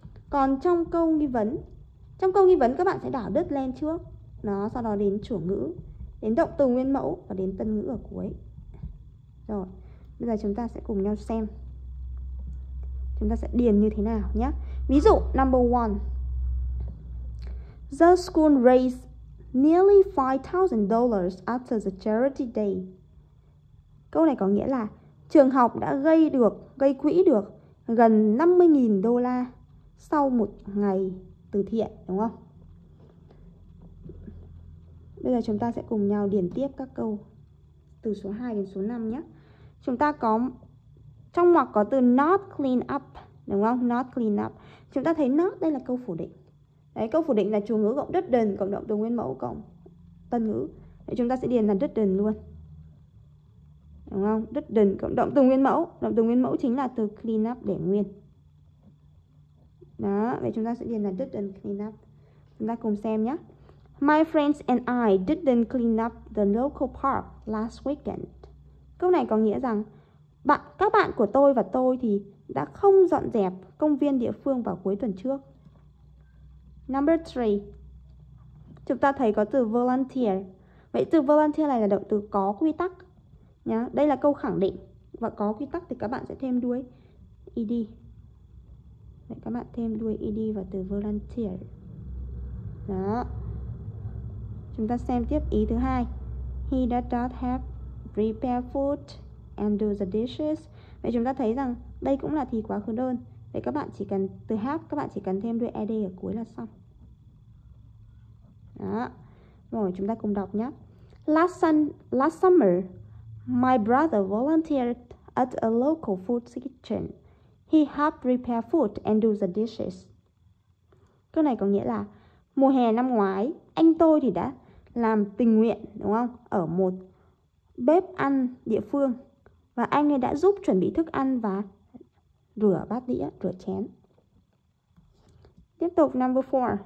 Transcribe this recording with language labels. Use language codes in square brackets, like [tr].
[vi] Còn trong câu nghi vấn. Trong câu nghi vấn các bạn sẽ đảo đứt lên trước. Đó, sau đó đến chủ ngữ, đến động từ nguyên mẫu và đến tân ngữ ở cuối. Rồi, bây giờ chúng ta sẽ cùng nhau xem chúng ta sẽ điền như thế nào nhé. Ví dụ, [en] number 1. The school raised nearly $5,000 after the charity day. [vi] Câu này có nghĩa là trường học đã gây quỹ được gần $50,000 sau một ngày từ thiện, đúng không? Bây giờ chúng ta sẽ cùng nhau điền tiếp các câu từ số 2 đến số 5 nhé. Chúng ta có trong ngoặc có từ [en] not clean up, [vi] đúng không? Not clean up. Chúng ta thấy not đây là câu phủ định. Đấy, câu phủ định là chủ ngữ cộng didn't cộng động từ nguyên mẫu cộng tân ngữ. Đấy, chúng ta sẽ điền là didn't luôn. Đúng không? Didn't cộng động từ nguyên mẫu. Động từ nguyên mẫu chính là từ clean up để nguyên. Đó, vậy chúng ta sẽ điền là [en] didn't clean up. [vi] Chúng ta cùng xem nhé. [en] My friends and I didn't clean up the local park last weekend. [vi] Câu này có nghĩa rằng các bạn của tôi và tôi thì đã không dọn dẹp công viên địa phương vào cuối tuần trước. [en] Number 3. [vi] Chúng ta thấy có từ volunteer. Vậy từ volunteer này là động từ có quy tắc. Nhá, đây là câu khẳng định. Và có quy tắc thì các bạn sẽ thêm đuôi ed. Vậy các bạn thêm đuôi ed vào từ volunteer. Đó. Chúng ta xem tiếp ý thứ hai. [en] He does not have prepare food and do the dishes. [vi] Vậy chúng ta thấy rằng đây cũng là thì quá khứ đơn. Vậy các bạn chỉ cần từ have, các bạn chỉ cần thêm đuôi ed ở cuối là xong. Đó. Rồi chúng ta cùng đọc nhé. [en] Last summer, my brother volunteered at a local food kitchen. He helped prepare food and do the dishes. [vi] Câu này có nghĩa là mùa hè năm ngoái, anh tôi thì đã làm tình nguyện, đúng không? Ở một bếp ăn địa phương. Và anh ấy đã giúp chuẩn bị thức ăn và rửa bát đĩa, rửa chén. Tiếp tục, [en] number 4.